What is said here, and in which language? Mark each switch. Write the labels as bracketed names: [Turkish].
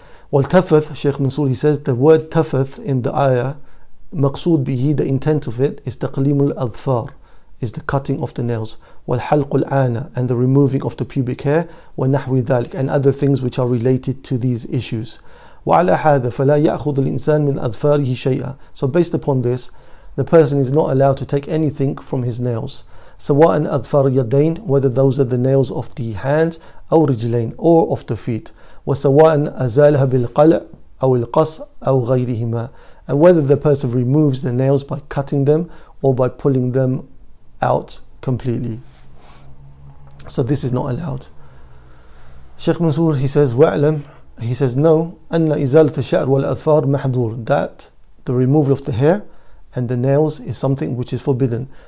[English] Well, tafath, Sheikh Mansur, he says, the word tafath in the ayah, [Arabic] maqsood bihi, [English] the intent of it, is [Arabic] taqlimul adhfar, [English] is the cutting of the nails. [Arabic] Wal halqul ana, [English] and the removing of the pubic hair, [Arabic] wa nahwi dhalik, [English] and other things which are related to these issues. [Arabic] وعلى هذا فلا يأخذ الإنسان من أظفاره شيئا. [English] So based upon this, the person is not allowed to take anything from his nails. [Arabic] سواء أظفار يدين, [English] whether those are the nails of the hands, [Arabic] أو رجلين, [English] or of the feet. [Arabic] وسواء أزالها بالقلع أو القص أو غيرهما. [English] And whether the person removes the nails by cutting them or by pulling them out completely. So this is not allowed. Sheikh Mansur, he says, [Arabic] وعلم, [English] he says, no, [Arabic] أَنَّ إِزَالَةَ الشَّعْرِ وَالْأَظْفَارِ مَحْدُورٍ, [English] that the removal of the hair and the nails is something which is forbidden.